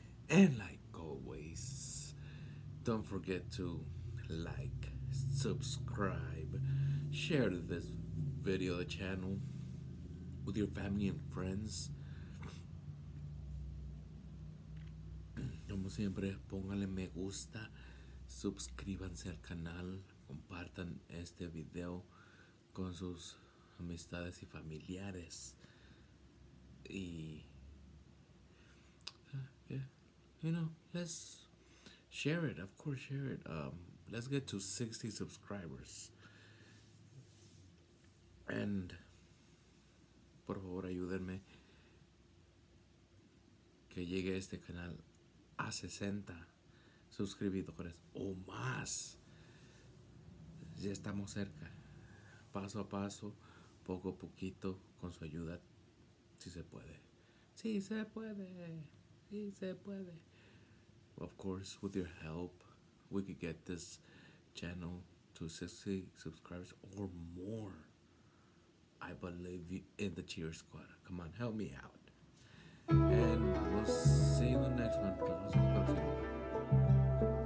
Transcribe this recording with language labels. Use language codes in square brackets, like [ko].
[en] And like always, don't forget to like, subscribe, share this video, the channel, with your family and friends. [es] Como siempre, pónganle me gusta, suscríbanse al canal, compartan este video con sus amistades y familiares. [en] Y you know, let's share it. Of course, share it. Let's get to 60 subscribers. [es] And por favor, ayúdenme que llegue este canal a 60 suscriptores o más. Ya estamos cerca. Paso a paso, poco a poquito, con su ayuda, si se puede. Sí se puede. Sí se puede. [en] Of course, with your help, we could get this channel to 60 subscribers or more. I believe in the cheer squad. Come on, help me out. And we'll see you in the next one.